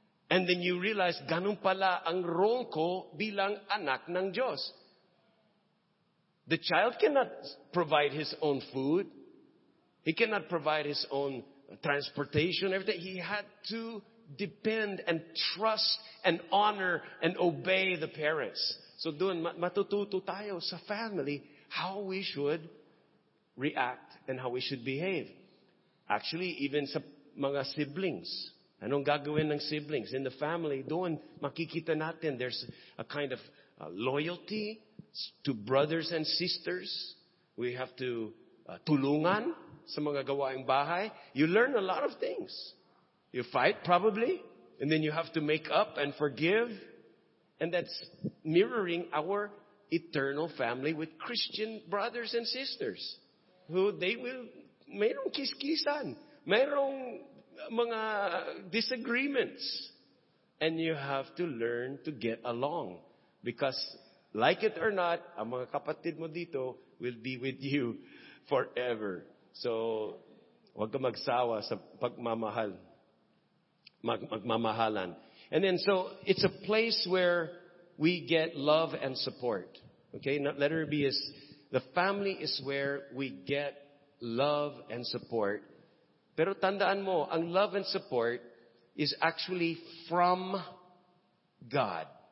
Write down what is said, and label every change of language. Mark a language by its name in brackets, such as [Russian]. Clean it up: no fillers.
[Filipino] And then you realize, ganun pala ang role ko bilang anak ng Diyos. [English] The child cannot provide his own food. He cannot provide his own transportation, everything. He had to depend and trust and honor and obey the parents. [Filipino] So doon, matututo tayo sa [English] family how we should react and how we should behave. [Filipino] Actually, even sa mga siblings. Anong gagawin ng siblings? [English] In the family, [Filipino] doon makikita natin [English] there's a kind of loyalty to brothers and sisters. We have to [Filipino] tulungan sa mga gawaing bahay. [English] You learn a lot of things. You fight, probably. And then you have to make up and forgive. And that's mirroring our eternal family with Christian brothers and sisters. [Filipino] Who they will, mayroong kis-kisan. Mayroong mga disagreements. [English] And you have to learn to get along. Because, like it or not, [Filipino] ang mga kapatid mo dito [English] will be with you forever. [Filipino] So, huwag ka magsawa sa pagmamahal. Magmamahalan. [English] And then, so, it's a place where we get love and support. Okay? Letter B is, the family is where we get love and support. [Filipino] Pero tandaan mo, ang [English] love and support is actually from God.